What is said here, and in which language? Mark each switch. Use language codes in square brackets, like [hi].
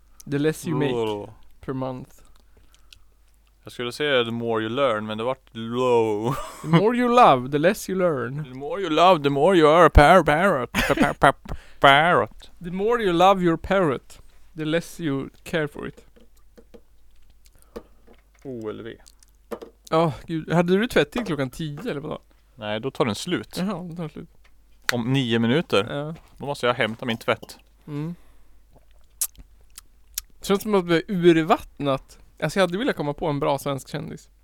[en] The less you make per month. [sv] Jag skulle säga [en] the more you learn, [sv] men det vart low. [en] The more you love, the less you learn. The more you love, the more you are a parrot. Parrot. The more you love your parrot, the less you care for it. OLV. [sv] Ja, oh, gud. Hade du tvätt till klockan 10 eller vadå? Nej, då tar den slut. Ja, då tar den slut. Om 9 minuter. Ja. Då måste jag hämta min tvätt. Mm. Känns som att vi är urvattnat. Alltså, jag hade velat komma på en bra svensk kändis.